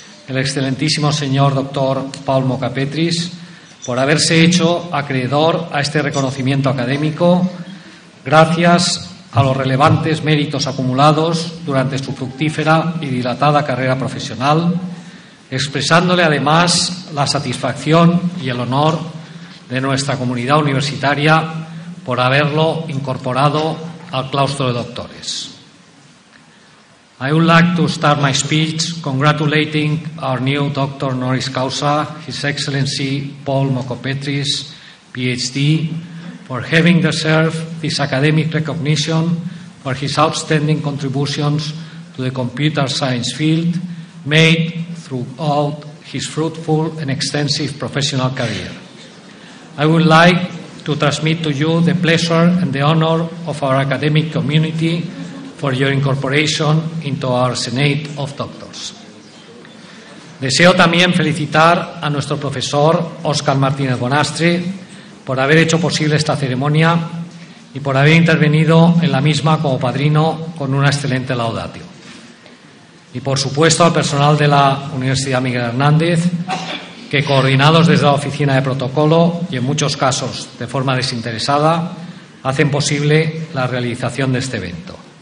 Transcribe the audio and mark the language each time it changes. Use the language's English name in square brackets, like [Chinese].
[Spanish] el excelentísimo señor doctor Paul Mocapetris, por haberse hecho acreedor a este reconocimiento académico gracias a los relevantes méritos acumulados durante su fructífera y dilatada carrera profesional, expresándole además la satisfacción y el honor de nuestra comunidad universitaria por haberlo incorporado al claustro de doctores. [English] I would like to start my speech congratulating our new Dr. Honoris Causa, His Excellency Paul Mocapetris, PhD, for having deserved this academic recognition for his outstanding contributions to the computer science field made throughout his fruitful and extensive professional career. I would like to transmit to you the pleasure and the honor of our academic community for your incorporation into our Senate of Doctors. [Spanish] Deseo también felicitar a nuestro profesor Óscar Martínez Bonastre por haber hecho posible esta ceremonia y por haber intervenido en la misma como padrino con una excelente laudatio. Y por supuesto al personal de la Universidad Miguel Hernández, que coordinados desde la oficina de protocolo y en muchos casos de forma desinteresada, hacen posible la realización de este evento.